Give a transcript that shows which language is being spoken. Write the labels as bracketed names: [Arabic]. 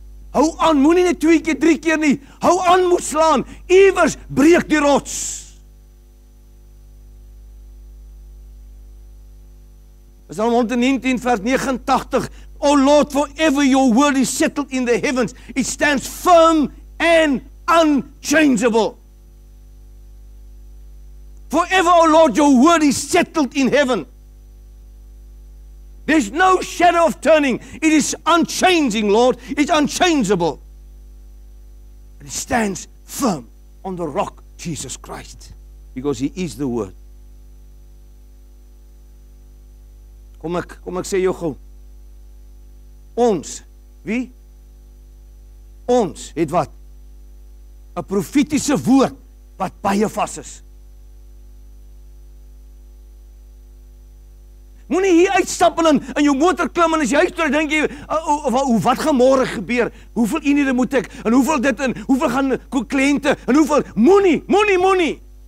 [Afrikaans] Hou aan, moet nie net 2 keer, 3 keer nie, hou aan, moet slaan, iewers breek die rots. Psalm 119 vers 89, [English] O Lord, forever your word is settled in the heavens, it stands firm and unchangeable. Forever, O Lord, your word is settled in heaven. There's no shadow of turning. It is unchanging, Lord. It's unchangeable. And it stands firm on the rock, Jesus Christ, because He is the Word. [Afrikaans] Kom ek sê jou gou. Ons, wie? Ons het wat? 'N profetiese woord wat baie vas is. Moenie hier uitstap en in jou motor klim en as jy huis toe dink jy wat gaan môre gebeur? Hoeveel ure moet ek en hoeveel dit en hoeveel gaan kliënte en hoeveel moenie.